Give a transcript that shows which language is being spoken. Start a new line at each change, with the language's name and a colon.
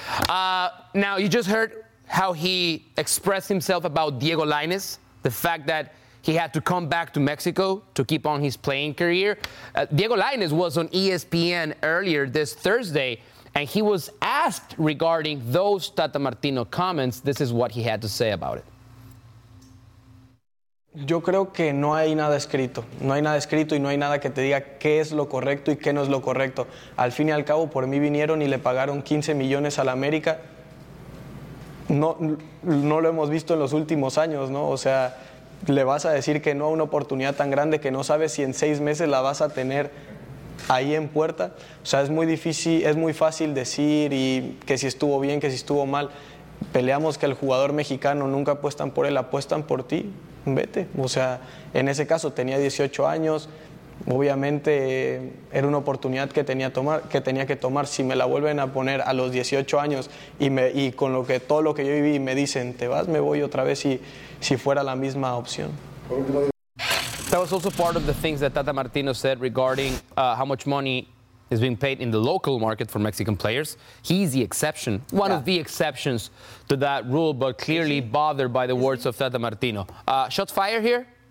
English: Now, you just heard how he expressed himself about Diego Lainez, the fact that he had to come back to Mexico to keep on his playing career. Diego Lainez was on ESPN earlier this Thursday, and he was asked regarding those Tata Martino comments. This is what he had to say about it.
Spanish: Yo creo que no hay nada escrito. No hay nada escrito y no hay nada que te diga qué es lo correcto y qué no es lo correcto. Al fin y al cabo, por mí vinieron y le pagaron 15 millones a la América. No lo hemos visto en los últimos años, ¿no? O sea, le vas a decir que no a una oportunidad tan grande que no sabes si en 6 meses la vas a tener ahí en puerta. O sea, es muy difícil, es muy fácil decir y que si estuvo bien, que si estuvo mal. Peleamos que el jugador mexicano nunca apuestan por él, apuestan por ti. Vete, o sea, en ese caso tenía 18 años, obviamente era una oportunidad que tenía que tomar. Si me la vuelven a poner a los 18 años y con lo que todo lo que yo viví me dicen, te vas, me voy otra vez si fuera la misma opción.
English: That was also part of the things that Tata Martino said regarding how much money is being paid in the local market for Mexican players. He's the exception, one of the exceptions to that rule, but clearly bothered by the words of Tata Martino. Shots fired here?